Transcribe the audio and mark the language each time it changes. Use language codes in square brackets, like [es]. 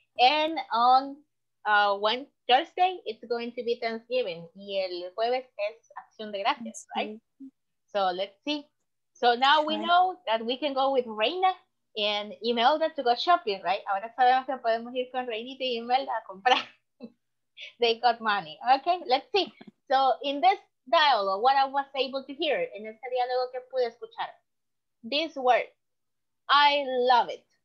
[en] And on Thursday, it's going to be Thanksgiving. [es] Y el jueves es Acción de Gracias, right? [en] So let's see. So now we know that we can go with Reina and Imelda to go shopping, right? [es] Ahora sabemos que podemos ir con Reinita y Imelda a comprar. [en] They got money. Okay, let's see. So in this dialogue, what I was able to hear, [es] en este diálogo que pude escuchar, [en] this word, I love it.